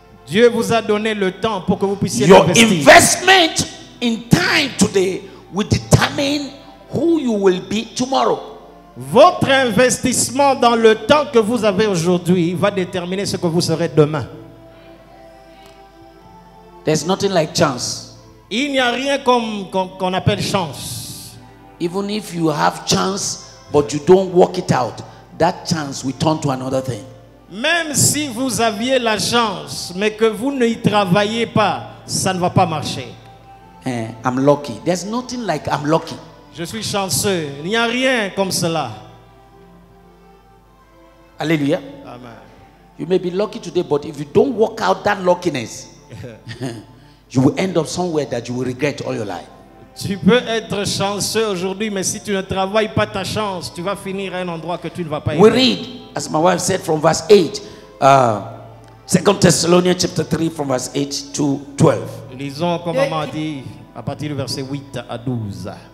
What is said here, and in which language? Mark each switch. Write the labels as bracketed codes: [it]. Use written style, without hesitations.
[fr] Dieu vous a donné le temps pour que vous puissiez [en] your [fr] investir. [en] Your investment in time today will determine who you will be tomorrow. [fr] Votre investissement dans le temps que vous avez aujourd'hui va déterminer ce que vous serez demain. [en] There's nothing like chance. [fr] Il n'y a rien comme qu'on appelle chance. [en] Even if you have chance but you don't work it out, that chance will turn to another thing. [fr] Même si vous aviez la chance mais que vous ne y travaillez pas, ça ne va pas marcher. [en] I'm lucky. There's nothing like I'm lucky. [fr] Je suis chanceux. Il n'y a rien comme cela. Alléluia. Amen. [en] You may be lucky today, but if you don't work out that luckiness, you will end up somewhere that you will regret all your life. [fr] Tu peux être chanceux aujourd'hui, mais si tu ne travailles pas ta chance, tu vas finir à un endroit que tu ne vas pas. [en] We read, as my wife said, from verse 8, 2 Thessalonians chapter 3, from verse 8 to 12. [fr] Lisons comme maman a dit, à partir du verset 8 à 12.